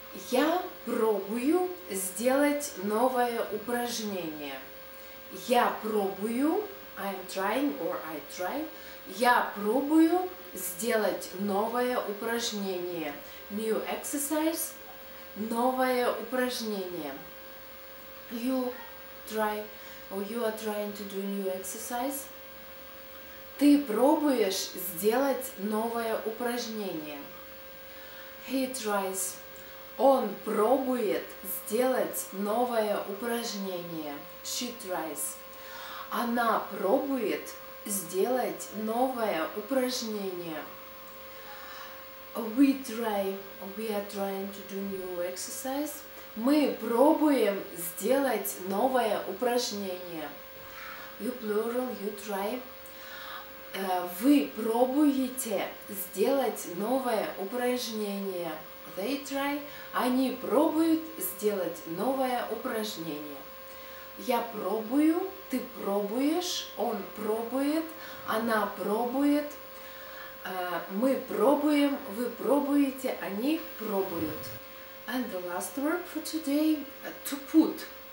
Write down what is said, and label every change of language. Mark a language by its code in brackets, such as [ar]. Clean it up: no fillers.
[ru] Я пробую сделать новое упражнение. Я пробую, [en] I am trying or I try. [ru] Я пробую сделать новое упражнение. [en] New exercise. [ru] Новое упражнение. [en] You try or you are trying to do new exercise. [ru] Ты пробуешь сделать новое упражнение. [en] He tries. [ru] Он пробует сделать новое упражнение. [en] She tries. [ru] Она пробует сделать новое упражнение. [en] We try, we are trying to do new exercise. [ru] Мы пробуем сделать новое упражнение. [en] You plural, you try. [ru] Вы пробуете сделать новое упражнение. [en] They try. [ru] Они пробуют сделать новое упражнение. Я пробую, ты пробуешь, он пробует, она пробует. Мы пробуем, вы пробуете, они пробуют. [en] And the last verb for today – to put.